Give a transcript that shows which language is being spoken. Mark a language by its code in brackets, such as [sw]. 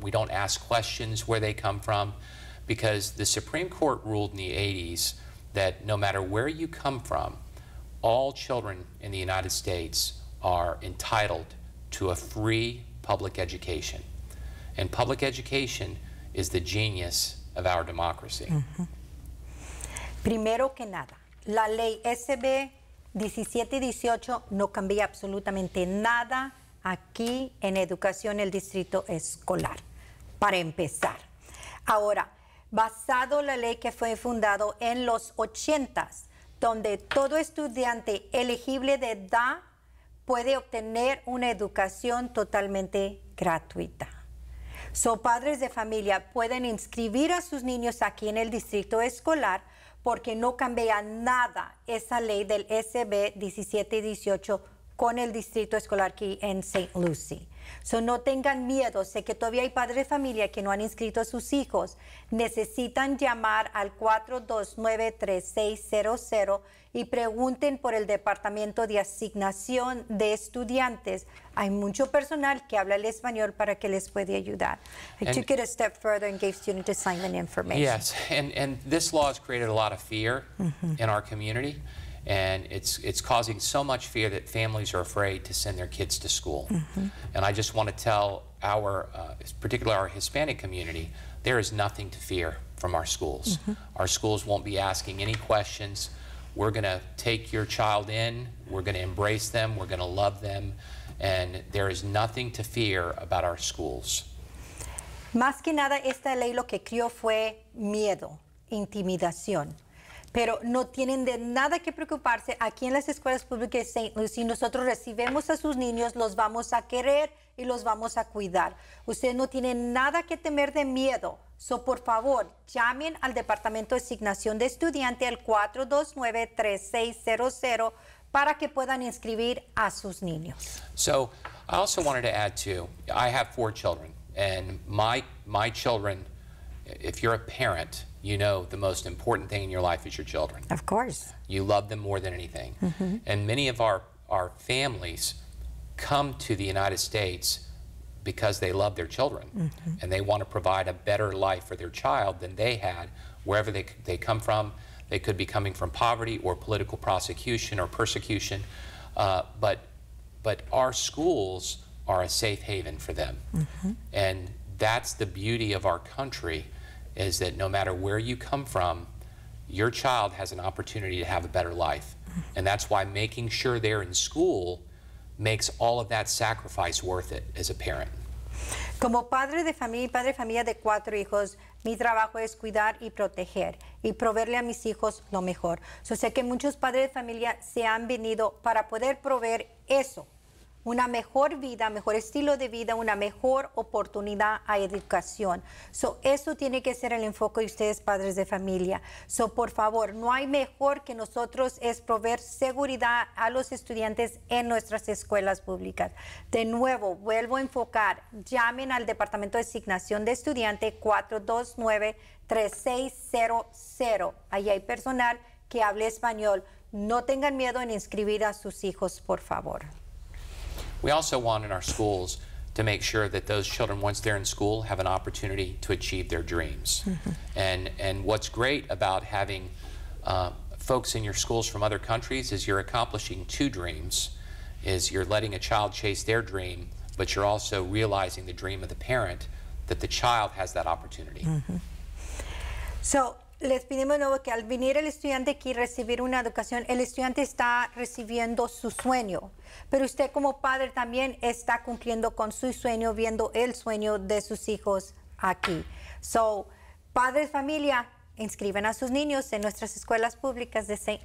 [en] We don't ask questions where they come from, because the Supreme Court ruled in the 80s that no matter where you come from, all children in the United States are entitled to a free public education. And public education is the genius of our democracy. Mm-hmm. [es] Primero que nada, la ley SB 1718 no cambia absolutamente nada aquí en educación, el distrito escolar, para empezar. Ahora, basado la ley que fue fundado en los 80s, donde todo estudiante elegible de edad puede obtener una educación totalmente gratuita. So, padres de familia pueden inscribir a sus niños aquí en el distrito escolar porque no cambia nada esa ley del SB 1718 con el distrito escolar aquí en St. Lucie. So, no tengan miedo. Sé que todavía hay padres de familia que no han inscrito a sus hijos. Necesitan llamar al 429-3600 y pregunten por el departamento de asignación de estudiantes. Hay mucho personal que habla el español para que les puede ayudar. [en] I took it a step further and gave student assignment information. Yes, and this law has created a lot of fear, mm-hmm. in our community. And it's causing so much fear that families are afraid to send their kids to school. Mm-hmm. And I just want to tell our, particularly our Hispanic community, there is nothing to fear from our schools. Mm-hmm. Our schools won't be asking any questions. We're going to take your child in. We're going to embrace them. We're going to love them. And there is nothing to fear about our schools. [es] Más que nada, esta ley lo que creó fue miedo, intimidación. Pero no tienen de nada que preocuparse. Aquí en las escuelas públicas de St. Lucie, nosotros recibimos a sus niños, los vamos a querer y los vamos a cuidar. Ustedes no tienen nada que temer de miedo. So, por favor, llamen al Departamento de Asignación de Estudiante al 429-3600 para que puedan inscribir a sus niños. [en] So, I also wanted to add too, I have four children, and my children, if you're a parent, you know the most important thing in your life is your children. Of course. You love them more than anything. Mm-hmm. And many of our families come to the United States because they love their children, mm-hmm. and they want to provide a better life for their child than they had wherever they come from. They could be coming from poverty or political prosecution or persecution, but our schools are a safe haven for them. Mm-hmm. And that's the beauty of our country, is that no matter where you come from, your child has an opportunity to have a better life. And that's why making sure they're in school makes all of that sacrifice worth it as a parent. [es] Como padre de familia y padre de familia de cuatro hijos, mi trabajo es cuidar y proteger y proveerle a mis hijos lo mejor. So, sé que muchos padres de familia se han venido para poder proveer eso, una mejor vida, mejor estilo de vida, una mejor oportunidad a educación. So, eso tiene que ser el enfoque de ustedes, padres de familia. So, por favor, no hay mejor que nosotros es proveer seguridad a los estudiantes en nuestras escuelas públicas. De nuevo, vuelvo a enfocar, llamen al Departamento de Asignación de Estudiante 429-3600. Ahí hay personal que hable español. No tengan miedo en inscribir a sus hijos, por favor. [en] We also want in our schools to make sure that those children, once they're in school, have an opportunity to achieve their dreams. Mm-hmm. And what's great about having folks in your schools from other countries is you're accomplishing two dreams, is you're letting a child chase their dream, but you're also realizing the dream of the parent, that the child has that opportunity. Mm-hmm. [es] So, les pedimos de nuevo que al venir el estudiante aquí a recibir una educación, el estudiante está recibiendo su sueño. Pero usted como padre también está cumpliendo con su sueño, viendo el sueño de sus hijos aquí. So, padres, familia, inscriben a sus niños en nuestras escuelas públicas de St.